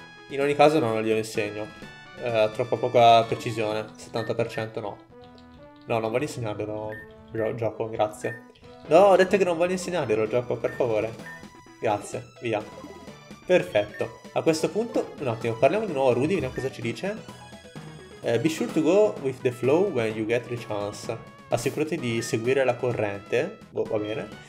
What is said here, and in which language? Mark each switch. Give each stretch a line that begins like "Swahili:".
Italian: In ogni caso non glielo insegno. Troppo poca precisione, 70% no. No, non voglio insegnarglielo, gioco, grazie. No, ho detto che non voglio insegnarglielo, gioco, per favore. Grazie, via. Perfetto. A questo punto, un attimo, parliamo di nuovo a Rudy, vediamo cosa ci dice.
English: Be sure to go with the flow when you get the chance.
Italian: Assicurati di seguire la corrente. Boh, va bene.